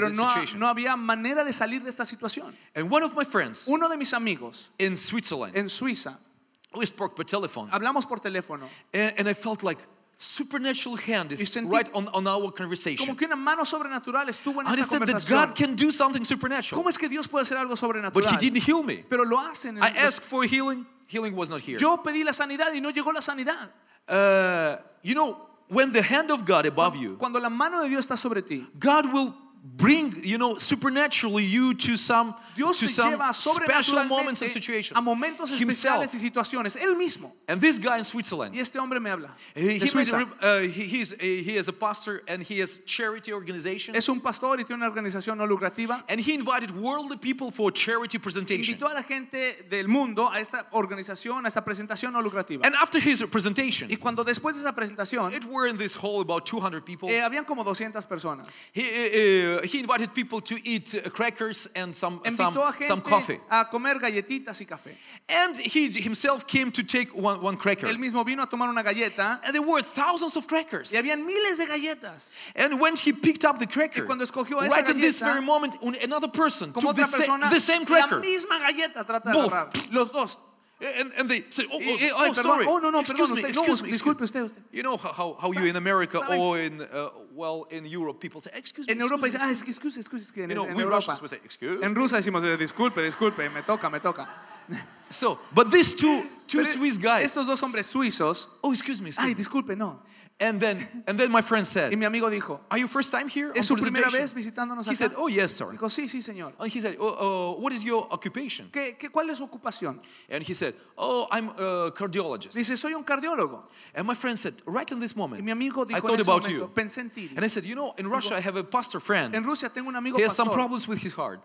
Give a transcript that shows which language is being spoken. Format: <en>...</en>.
<en>the situation.</en> <es>Pero no había manera de salir de esta situación.</es> <en>And one of my friends,</en> <es>uno de mis amigos,</es> <en>in Switzerland,</en> <es>en Suiza,</es> <en>we spoke by telephone.</en> <es>Hablamos por teléfono.</es> <en>And I felt like supernatural hand is right on our conversation.</en> <es>Como que una mano sobrenatural estuvo en esta conversación.</es> <en>I said that God can do something supernatural.</en> <es>¿Cómo es que Dios puede hacer algo sobrenatural?</es> <en>But he didn't heal me.</en> <es>Pero lo hacen.</es> <en>I asked for healing. Healing was not here.</en> <es>Yo pedí la sanidad y no llegó la sanidad.</es> <en>You know, when the hand of God above you,</en> <es>cuando la mano de Dios está sobre ti,</es> <en>God will bring, you know, supernaturally you to some</en> <es>Dios</es> <en>to some special moments and situations.</en> <es>A momentos especiales y situaciones, él mismo.</es> <en>And this guy in Switzerland.</en> <es>Y este hombre me habla.</es> <en>He is a pastor and he has charity organization.</en> <es>Es un pastor y tiene una organización no lucrativa.</es> <en>And he invited worldly people for charity presentation.</en> <es>Invitó a la gente del mundo a esta organización, a esta presentación no lucrativa.</es> <en>And after his presentation.</en> <es>Y cuando después de esa presentación.</es> <en>It were in this hall about 200 people.</en> <es>Habían como 200 personas.</es> <en>He invited people to eat crackers and some coffee.</en> <es>A comer galletitas y café.</es> <en>And he himself came to take one cracker.</en> <es>Él mismo vino a tomar una galleta.</es> <en>And there were thousands of crackers.</en> <es>Y habían miles de galletas.</es> <en>And when he picked up the cracker,</en> <es>y cuando escogió esa</es> <en>right</en> <es>galleta,</es> <en>in this very moment, another person</en> <es>como</es> <en>took</en> <es>otra persona,</es> <en>the same cracker.</en> <es>La misma galleta trata de</es> <en>both.</en> <es>Agarrar. Los dos.</es> <en>And they said, sorry. Oh, no, excuse me. You know how you in America or in, in Europe, people say, excuse me.</en> <es>En Europa dicen, excuse.</es> <en>You know, we Russians would say, excuse me.</en> <es>En Rusia decimos, disculpe, me toca.</es> <en>So, but these two Swiss guys.</en> <es>Estos dos hombres suizos.</es> <en>Oh, excuse me.</en> <es>Ay, disculpe, no.</es> <en>And then my friend said,</en> <es>y mi amigo dijo,</es> <en>are you first time here?</en> <es>¿Es su primera vez visitándonos acá?</es> <en>He said, oh yes, sir.</en> <es>Dijo, sí, señor.</es> <en>And he said, what is your occupation?</en> <es>¿Cuál es su ocupación?</es> <en>And he said, I'm a cardiologist.</en> <es>Dice, soy un cardiólogo.</es> <en>And my friend said, right in this moment,</en> <es>y mi amigo dijo,</es> <en>I thought about</en> <es>momento,</es> <en>you.</en> <es>Pensé en ti.</es> <en>And I said, you know, in Russia I have a pastor friend.</en> <es>En Rusia tengo un amigo</es> <en>he</en> <es>pastor</es> <en>has some problems with his heart.</en>